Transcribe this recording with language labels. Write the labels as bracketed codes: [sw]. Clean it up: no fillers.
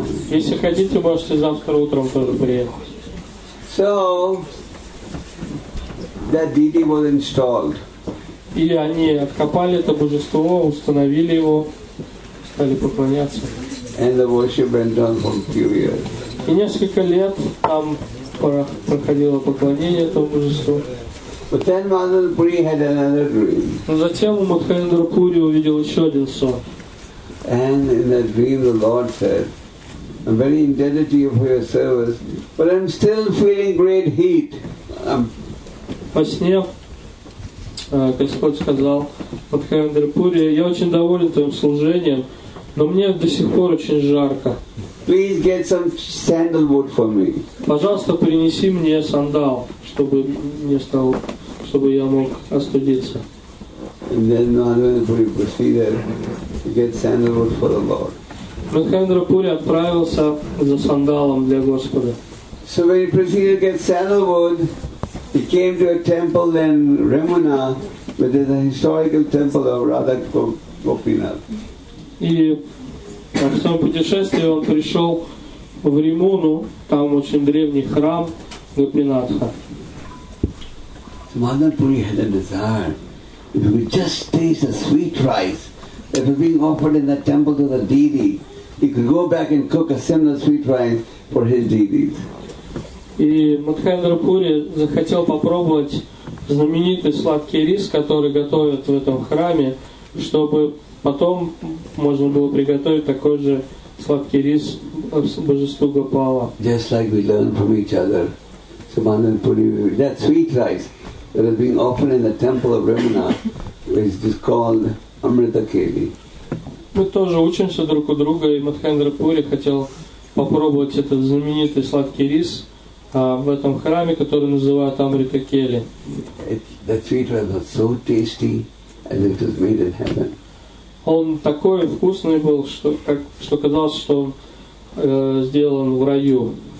[ru] Если хотите, можете завтра утром тоже приехать. [en] So, that deity was installed. [ru] И они откопали это божество, установили его, стали поклоняться. [en] And the worship went on for a few years. [ru] И несколько лет там проходило поклонение этому божеству. [en] But then Mahendra Puri had another dream. [ru] Но затем Махендра Пури увидел еще один сон. [en] And in that dream the Lord said, I'm very indebted to you for your service, but I'm still feeling great heat. [ru] Во сне Господь сказал, Махендра Пури, я очень доволен твоим служением, но мне до сих пор очень жарко. [en] Please get some sandalwood for me. [ru] Пожалуйста, принеси мне сандал, чтобы мне стало, чтобы я мог остудиться. [en] And then Mahendra Puri proceeded to get sandalwood for the Lord. [ru] Махендра Пури отправился за сандалом для Господа. [en] So when he proceeded to get sandalwood, he came to a temple in Ramana, which is a historical temple of Radha Gopinath. [ru] И в своем путешествии он пришел в Римуну, там очень древний храм Гопинатха. [en] So Mahendra Puri had a desire. If he could just taste the sweet rice that was being offered in the temple to the deity, he could go back and cook a similar sweet rice for his deities. [ru] И Махендра Пури захотел попробовать знаменитый сладкий рис, который готовят в этом храме, чтобы потом можно было приготовить такой же сладкий рис божеству Гопала. [en] Just like we learn from each other, so Mahendra Puri, that sweet rice that is being offered in the temple of Ramana, which is called Amrita Keli. [ru] Мы тоже учимся друг у друга, и Махендра Пури хотел попробовать этот знаменитый сладкий рис в этом храме, который называют Амрита Кели. [en] That sweet rice was so tasty, as if it was made in heaven. [ru] Он такой вкусный был, что казалось, что он сделан в раю.